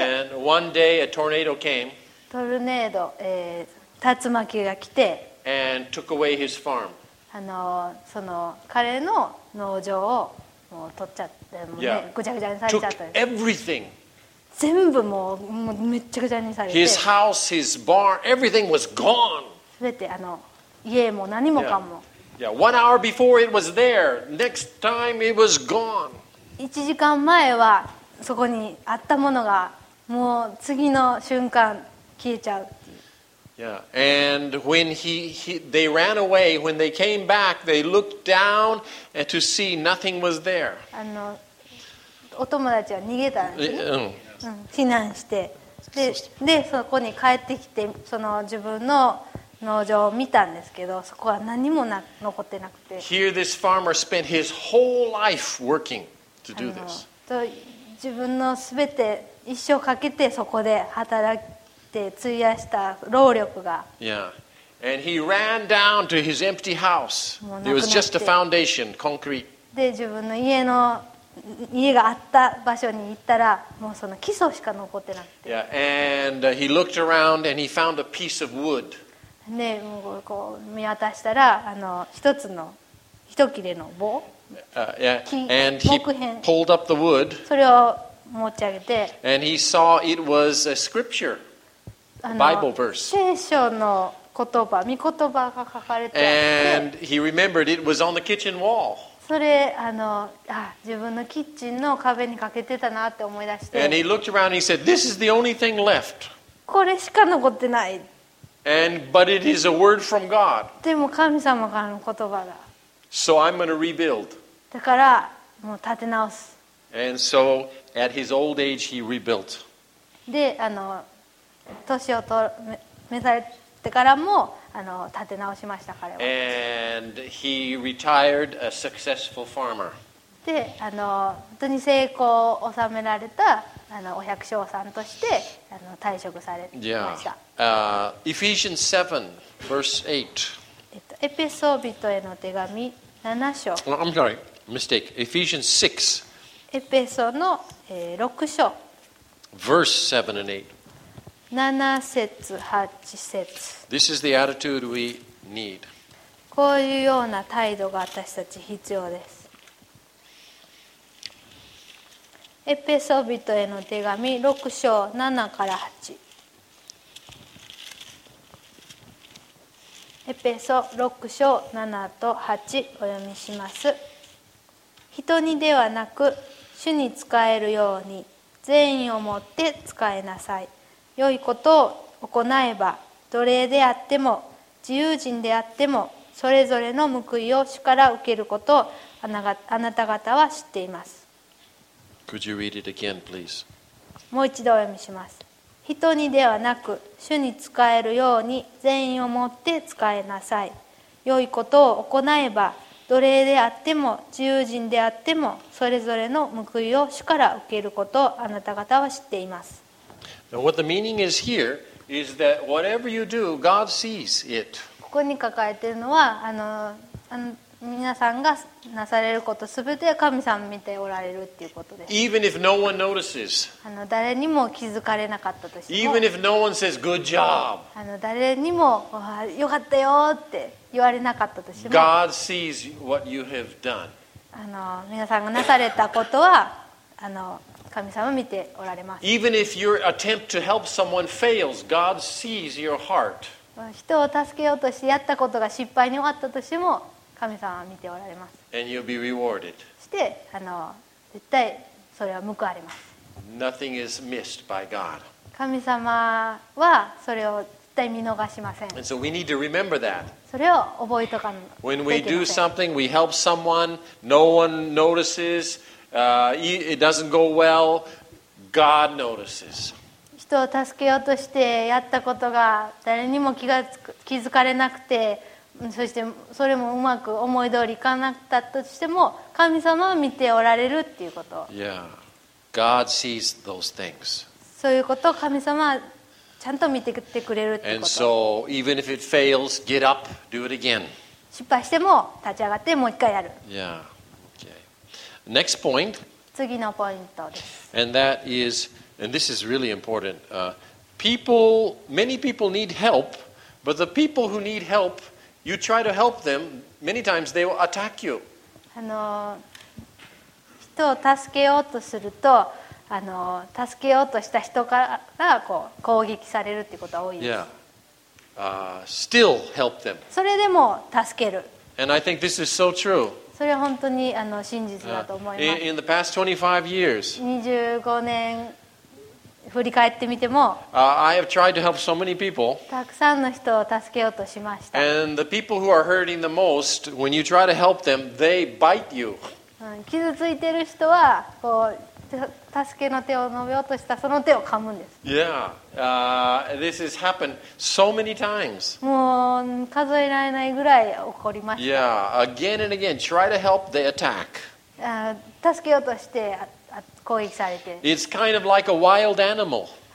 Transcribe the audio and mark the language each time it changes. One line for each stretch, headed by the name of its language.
English: And one day a tornado came.
Japanese: トルネード、竜巻が来て、
English: and took away his farm.
Japanese: その彼の農場をもう取っちゃって、もうね、
English: yeah.
Japanese: ぐちゃぐちゃにされちゃった。
English: Took everything.
Japanese: 全部もうめっちゃぐちゃにされて。
English: His house, his barn, everything was gone.
Japanese: 全て家も何もかも。
English: Yeah. Yeah. 1 hour before it was there. Next time it was gone.
Japanese: 1時間前はそこにあったものがもう次の瞬間消えちゃう。
English: Yeah, and when they ran away, when they came back, they looked down and to see nothing was there.
Japanese: お友達は逃げたんですね。避難して、でそこに帰ってきて、その自分の農場を見たんですけど、そこは何も残ってなくて。
English: Here, this farmer spent his whole life working to do this.
Japanese: 自分のすべて一生かけてそこで働き費やした労力が。
English: Yeah. And he ran down to his empty house. There was just a foundation, concrete.
Japanese: で、自分の家があった場所に行ったら、もうその基礎しか残ってなくて。
English: Yeah. And he looked around and he found a piece of wood.
Japanese: で、もうこう見渡したら、一つの一切れの棒。
English: Yeah. And he pulled up the wood.
Japanese: それを持ち上げて。
English: And he saw it was a scripture. Bible verse.
Japanese: 聖書の言葉、御言葉が書かれてあって、
English: and he remembered it was on the kitchen wall.
Japanese: それ自分のキッチンの壁にかけてたなって思い出して、
English: and he looked around and he said, "This is the only thing left."
Japanese: これしか残ってない。
English: And but it is a word from God.
Japanese: でも神様からの言葉だ。
English: So I'm going to rebuild.
Japanese: だからもう立て直す。
English: And so at his old age, he rebuilt.
Japanese: で年を召されてからも立て直しました彼は。
English: And he retired a successful farmer.
Japanese: で本当に成功を収められたお百姓さんとして退職されました。
English: Yeah. Ephesians 7, verse 8.
Japanese: エペソ人への手紙7章。
English: Oh, I'm sorry, mistake. Ephesians 6.
Japanese: エペソの6章。
English: Verse 7 and 8.
Japanese: 7節8節。
English: This is the attitude we need.
Japanese: こういうような態度が私たち必要です。エペソ人への手紙6章7から8。エペソ6章7と8お読みします。人にではなく主に使えるように善意を持って使えなさい。良いことを行えば、奴隷であっても自由人であっても、それぞれの報いを主から受けることをあなた方は知っています。
English: Could you read it again, please?
Japanese: もう一度お読みします。人にではなく主に仕えるように善意を持って仕えなさい。良いことを行えば奴隷であっても自由人であっても、それぞれの報いを主から受けることをあなた方は知っています。
English: Now, what the meaning is here is that whatever you do, God sees it.
Japanese: ここに書かれているのは、皆さんがなされることすべて神様見ておられるということです。
English: Even if no one notices.
Japanese: 誰にも気づかれなかったとしても。
English: Even if no one says good job.
Japanese: 誰にもよかったよって言われなかったとしても。
English: God sees what you have done.
Japanese: 皆さんがなされたことは神様見ておられます。
English: Even if your attempt to help someone fails, God sees your heart.
Japanese: 人を助けようとしてやったことが失敗に終わったとしても。神様は見ておられます。
English: And you'll be rewarded.
Japanese: そして絶対それは報われます。
English: Nothing is missed by God.
Japanese: 神様はそれを絶対見逃しません。
English: And so we need to remember that.
Japanese: それを覚えとかないといけません。
English: When we do something, we help someone, no one notices, it doesn't go well, God notices.
Japanese: 人を助けようとしてやったことが誰にも気づかれなくて、そしてそれもうまく思い通りいかなかったとしても、神様は見ておられるっていうこと。
English: Yeah. God sees those things.
Japanese: そういうことを神様はちゃんと見てくれるっていうこと。
English: And so, even if it fails, get up, do it again.
Japanese: 失敗しても立ち上がってもう一回やる。
English: Yeah. Okay. Next point.
Japanese: 次のポイントです。
English: And that is, and this is really important. People, many people need help, but the people who need help,You try to help them, many times they will attack you.
Japanese: 人を助けようとすると、助けようとした人からこう攻撃されるってことが多いです。
English: Yeah. Still help them.
Japanese: それでも助ける。
English: And I think this is so true.
Japanese: それは本当に真実だと思います。
English: In the past 25 years,
Japanese: 25年振り返ってみても、
English: I have tried to help so many people,
Japanese: たくさんの人を助けようとしました。
English: And the people who are hurting the most, when you try to help them, they bite you.
Japanese: 傷ついてる人はこう助けの手を伸べようとしたその手を噛むんです。
English: Yeah, this has happened so many times.
Japanese: もう数えられないぐらい起こりました。
English: Yeah, again and again, try to help, they attack.
Japanese: 助けようとして。攻撃されて、
English: It's kind of like a wild animal.